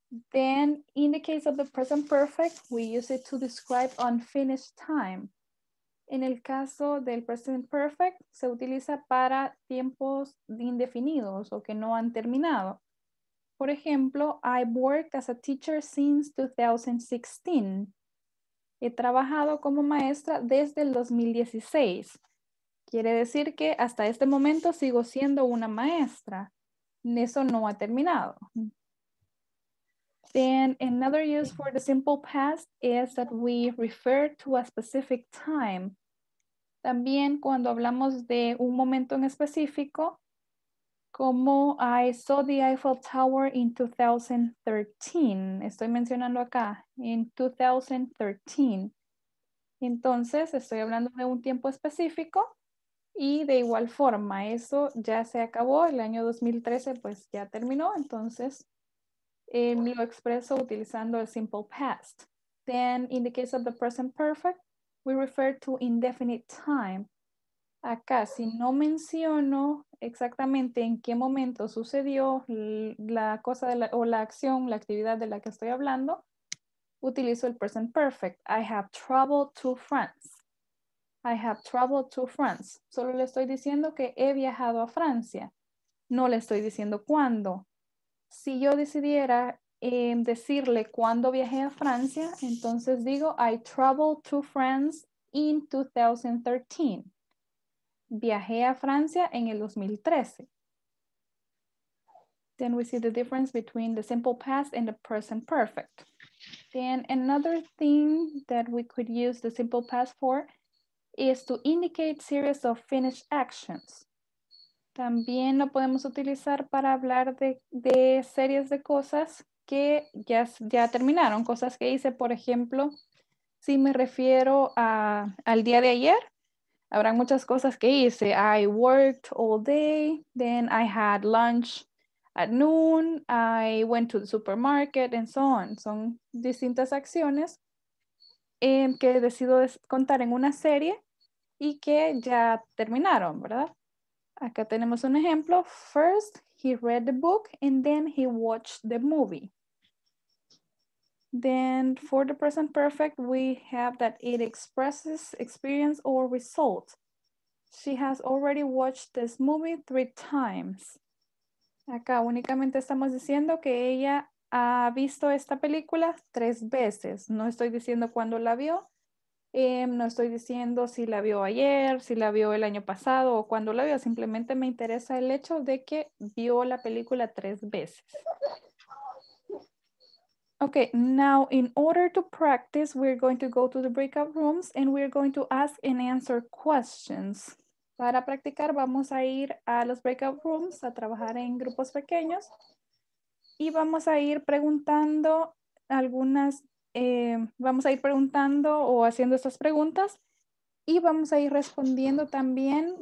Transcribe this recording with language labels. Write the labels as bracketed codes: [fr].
[en] Then, in the case of the present perfect, we use it to describe unfinished time. [es] En el caso del present perfect, se utiliza para tiempos indefinidos o que no han terminado. [en] Por ejemplo, I've worked as a teacher since 2016. [es] He trabajado como maestra desde el 2016. Quiere decir que hasta este momento sigo siendo una maestra. Eso no ha terminado. [en] Then another use for the simple past is that we refer to a specific time. [es] También cuando hablamos de un momento en específico, [en] como I saw the Eiffel Tower in 2013. [es] Estoy mencionando acá, in 2013. Entonces, estoy hablando de un tiempo específico y de igual forma, eso ya se acabó, el año 2013 pues ya terminó, entonces lo expreso utilizando el simple past. [en] Then, in the case of the present perfect, we refer to indefinite time. [es] Acá, si no menciono exactamente en qué momento sucedió la cosa de la, o la acción, la actividad de la que estoy hablando, utilizo el present perfect. [en] I have traveled to France. I have traveled to France. [es] Solo le estoy diciendo que he viajado a Francia. No le estoy diciendo cuándo. Si yo decidiera decirle cuándo viajé a Francia, entonces digo I traveled to France in 2013. Viajé a Francia en el 2013. [en] Then we see the difference between the simple past and the present perfect. Then another thing that we could use the simple past for is to indicate series of finished actions. [es] También lo podemos utilizar para hablar de series de cosas que ya terminaron, cosas que hice, por ejemplo, si me refiero al día de ayer, habrán muchas cosas que hice. [en] I worked all day, then I had lunch at noon, I went to the supermarket, and so on. [es] Son distintas acciones que decido contar en una serie y que ya terminaron, ¿verdad? Acá tenemos un ejemplo. [en] First, he read the book, and then he watched the movie. Then, for the present perfect, we have that it expresses experience or result. She has already watched this movie 3 times. [es] Acá únicamente estamos diciendo que ella ha visto esta película 3 veces. No estoy diciendo cuándo la vio. No estoy diciendo si la vio ayer, si la vio el año pasado o cuándo la vio. Simplemente me interesa el hecho de que vio la película 3 veces. [en] Okay, now in order to practice, we're going to go to the breakout rooms and we're going to ask and answer questions. [es] Para practicar, vamos a ir a los breakout rooms a trabajar en grupos pequeños y vamos a ir preguntando o haciendo estas preguntas y vamos a ir respondiendo también.